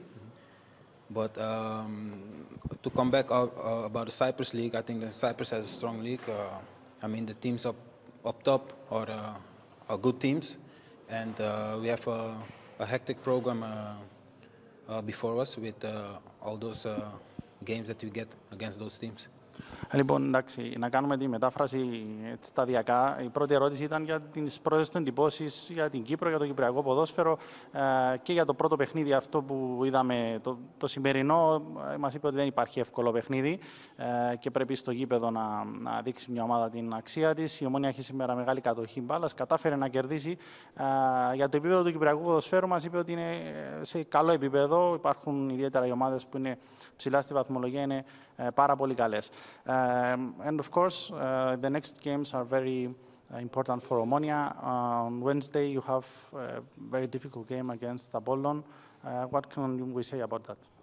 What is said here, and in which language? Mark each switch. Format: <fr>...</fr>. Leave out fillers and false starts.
<en>Mm-hmm. But to come back about the Cyprus League, I think the Cyprus has a strong league. I mean, the teams up top are good teams, and we have a hectic program before us with all those games that we get against those teams.</en> <el>Λοιπόν, εντάξει, να κάνουμε τη μετάφραση σταδιακά. Η πρώτη ερώτηση ήταν για τις πρώτες του εντυπώσεις για την Κύπρο, για το κυπριακό ποδόσφαιρο και για το πρώτο παιχνίδι, αυτό που είδαμε το σημερινό. Μας είπε ότι δεν υπάρχει εύκολο παιχνίδι και πρέπει στο γήπεδο να δείξει μια ομάδα την αξία της. Η Ομόνια έχει σήμερα μεγάλη κατοχή μπάλας, κατάφερε να κερδίσει. Για το επίπεδο του κυπριακού ποδοσφαίρου, μας είπε ότι είναι σε καλό επίπεδο. Υπάρχουν ιδιαίτερα οι ομάδες που είναι ψηλά στη βαθμολογία, είναι πάρα πολύ καλές.</el> <en>And of course, the next games are very important for Omonia. On Wednesday, you have a very difficult game against Apollon. What can we say about that?</en>